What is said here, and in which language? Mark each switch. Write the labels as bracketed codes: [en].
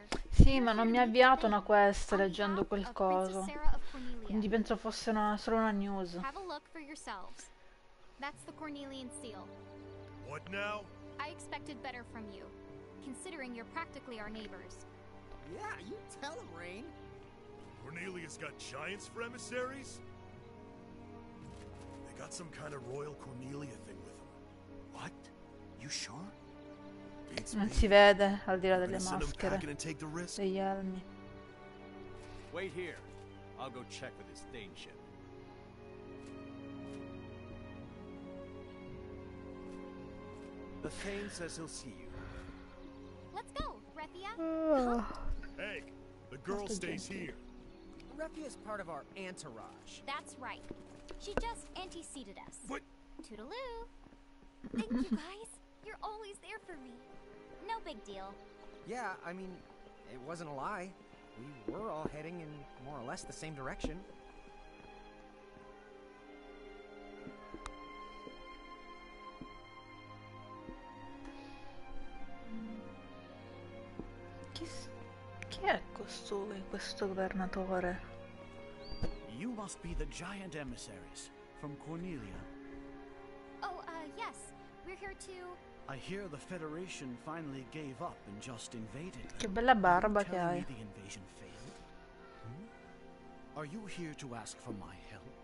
[it] Sì, ma non mi ha avviato una quest leggendo quel coso. Quindi penso fosse solo una news. [en] Have a look for yourselves. That's the Cornelian seal. What now? I expected better from you, considering you're practically our neighbors. Yeah, you tell them, Rain. Cornelius got giants for emissaries? They got some kind of royal Cornelia thing with them. What? You sure? [it] Non si vede al di là delle maschere, degli elmi. [en] Wait here. I'll go check with this Thane ship. The Thane says he'll see you. Let's go, Rethia. Hey, the girl stays here. Rethia's part of our entourage. That's right. She just anteceded us. What? Toodaloo. Thank you, guys. You're always there for me. No big deal. Yeah, I mean, it wasn't a lie. We were all heading in more or less the same direction. [it] Chi è costui, questo governatore? [en] You must be the giant emissaries from Cornelia. Oh, yes. We're here to... I hear the Federation finally gave up and just invaded. [it] Che bella barba che hai. [en] Tell me the invasion failed. Are you here to ask for my help?